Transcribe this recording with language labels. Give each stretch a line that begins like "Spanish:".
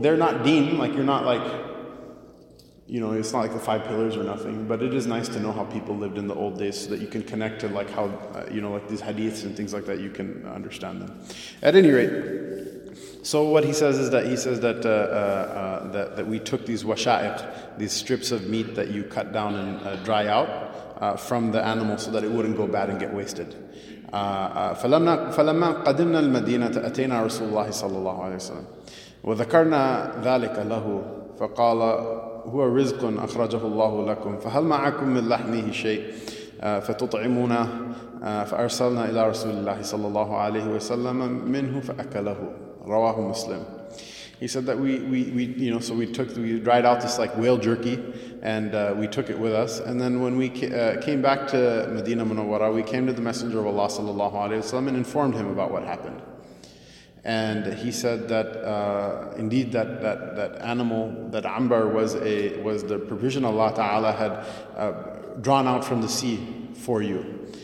English: They're not deen, like you're not like, you know, it's not like the five pillars or nothing, but it is nice to know how people lived in the old days so that you can connect to like how, you know, like these hadiths and things like that, you can understand them. At any rate, so what he says that that we took these washa'iq, these strips of meat that you cut down and dry out from the animal so that it wouldn't go bad and get wasted.
Arabic: فَلَمَّا قَدِمْنَا الْمَدِينَةَ أَتَيْنَا رَسُولُ اللَّهِ صَلَّى اللَّهُ عَلَيْهِ وَسَلَّمَ وَذَكَرْنَا ذَلِكَ لَهُ فَقَالَ هو رزق أخرجه الله لكم فهل معكم من لحمه شيء فتطعمونا فأرسلنا إلى رسول الله صلى الله عليه وسلم منه فأكله رواه مسلم.
English: He said that we dried out this like whale jerky and we took it with us, and then when we came back to Medina Munawwara, we came to the Messenger of Allah صلى الله عليه وسلم and informed him about what happened. And he said that indeed that animal, that ambar, was the provision Allah Ta'ala had drawn out from the sea for you.